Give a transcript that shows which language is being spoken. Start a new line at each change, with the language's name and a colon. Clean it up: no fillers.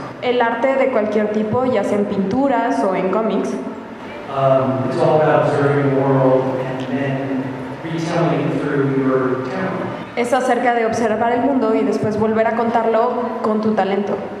Spanish: El arte de cualquier tipo, ya sea en pinturas o en cómics.
English: It's all about observing the world and then retelling through your talent.
Spanish: Es acerca de observar el mundo y después volver a contarlo con tu talento.